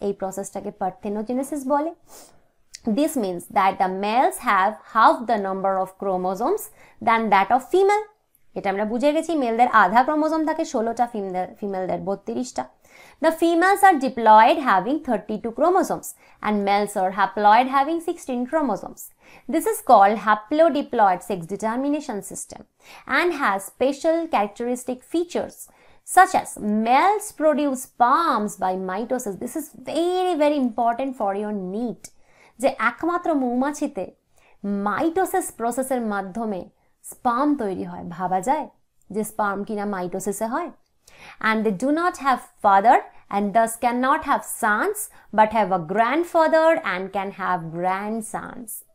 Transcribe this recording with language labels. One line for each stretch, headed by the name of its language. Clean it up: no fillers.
Bangla: এই প্রসেসটাকে পার্থেনোজেনেসিস বলে।
English: This means that the males have half the number of chromosomes than that of female.
Bangla: এটা আমরা বুঝে গেছি, মেলদের আধা ক্রোমোজোম থাকে 16টা, ফিমেলদের 32টা।
English: The females are diploid having 32 chromosomes and males are haploid having 16 chromosomes. This is called haplo-diploid sex determination system and has special characteristic features such as males produce sperms by mitosis. This is very very important for your NEET.
Bangla: যে একমাত্র মৌমাছিতে mitosis প্রসেসের মাধ্যমে sperm তৈরি হয়, ভাবা যায় যে sperm কিনা মাইটোসিসে হয়।
English: And they do not have father and thus cannot have sons but have a grandfather and can have grandsons.